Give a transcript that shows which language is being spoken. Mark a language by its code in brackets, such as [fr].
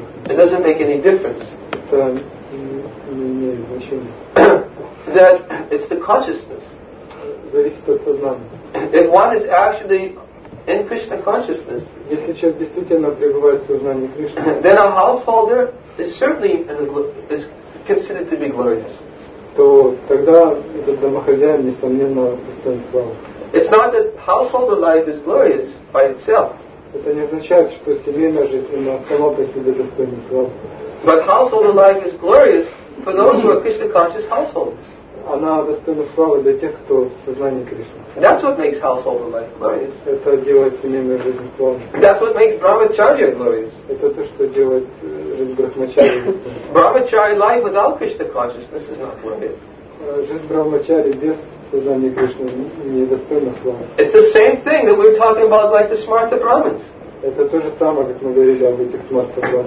[en] It doesn't make any difference. [ru] Это не имеет значения. [en] That it's the consciousness. [ru] Зависит от сознания. [en] If one is actually in Krishna consciousness, [ru] если человек действительно пребывает в сознании Кришны, [en] then a householder is certainly is considered to be glorious. [ru] То тогда этот домохозяин несомненно достоин славы. [en] It's not that householder life is glorious by itself. [ru] Это не означает, что семейная жизнь сама по себе достойна славы. [en] But householder life is glorious for those who are Krishna conscious householders. [ru] Она достойна славы для тех, кто в сознании Кришны. [en] That's what makes householder life glorious. [ru] Это делает семейную жизнь славной. [en] That's what makes brahmacharya glorious. [ru] Это то, что делает жизнь брахмачарьи. [en] Brahmacharya life without Krishna consciousness is not glorious. [ru] Жизнь брахмачарьи без сознания Кришны не достойна славы. [en] It's the same thing that we're talking about like the smarta brahmins. [ru] Это то же самое, как мы говорили об этих смарта брахмин.